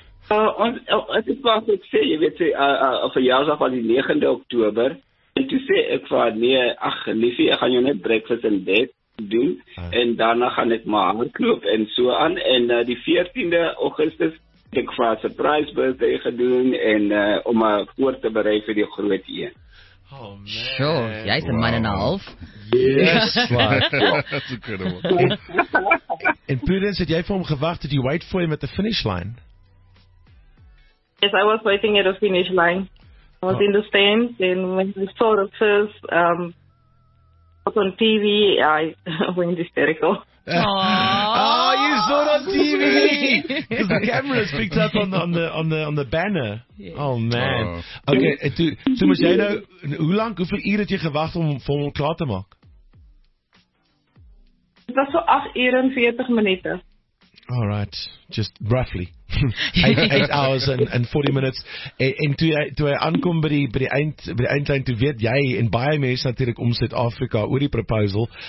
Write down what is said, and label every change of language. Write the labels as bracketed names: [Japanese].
[Afrikaans] Ek het wat ek sê, jy weet, verjaarsdag was die 9 Oktober, en toe sê ek van, nee, ach, liefie, ek gaan jou net breakfast in bed doen, en daarna gaan ek my hardloop en so aan, en die 14 Augustus het ek vir 'n surprise birthday gedoen, en om my voor te berei vir die groot een. [English] Oh man. [Afrikaans] Sure, jy is 'n man en 'n half. [English] Yes, man. That's a good one. [Afrikaans] En Prudence, het jy vir hom gewag, het jy [English] wait for him at the finish line? Yes, I was waiting at the finish line. I was in the stands, and when I saw the first on TV, I went hysterical. Oh, you saw it on TV! Because the camera's picked up on the banner. Yeah. Oh, man. Oh. [Afrikaans] Okay, so moet jy nou, hoe lang, hoeveel uur het jy gewacht om vir hom klaar te maak? Het was so 8:40 minute. [English] All right, just roughly. 8 hours and 40 minutes. [Afrikaans] En toe hy aankom by die eindlijn, toe weet jy en baie mense natuurlijk om Suid-Afrika oor die proposal.